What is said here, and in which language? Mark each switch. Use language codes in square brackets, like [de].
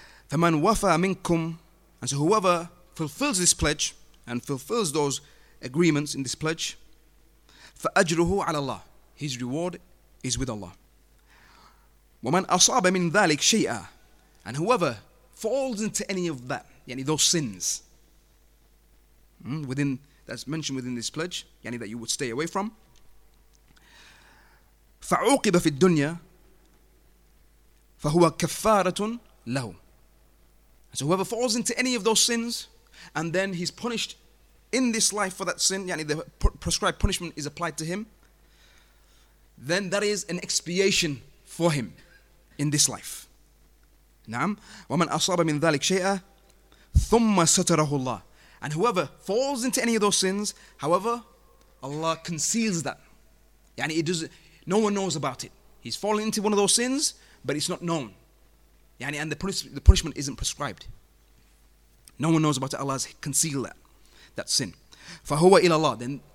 [ar] فمن وفى منكم, [en] and so whoever fulfills this pledge and fulfills those agreements in this pledge, [ar] فأجره على الله, [en] his reward is with Allah. [ar] ومن أصاب من ذلك شيئا, [en] and whoever falls into any of that, يعني those sins within that's mentioned within this pledge, يعني that you would stay away from, [ar] فعوقب في الدنيا فهو كفارة له. [en] So whoever falls into any of those sins and then he's punished in this life for that sin, yani the prescribed punishment is applied to him, then that is an expiation for him in this life. [ar] نعم ومن أصاب من ذلك شيئا ثم ستره الله. [en] And whoever falls into any of those sins, however, Allah conceals that. يعني it doesn't, no one knows about it. He's fallen into one of those sins, but it's not known. يعني and the punishment isn't prescribed. No one knows about it. Allah has concealed that sin. [ar] فهو إلى الله.